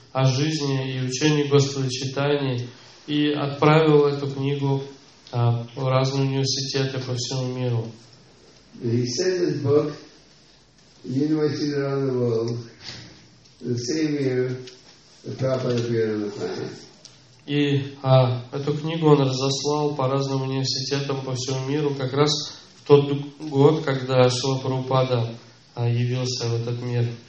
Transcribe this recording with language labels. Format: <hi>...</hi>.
<ru>о жизни и учении Господа Читания и отправил эту книгу в разные университеты по всему миру.</ru> <en>He sent his book to universities around the world the same year the Prabhupada appeared on the planet.</en> <ru>И эту книгу он разослал по разным университетам по всему миру как раз в тот год, когда Шрила Прабхупада явился в этот мир.</ru>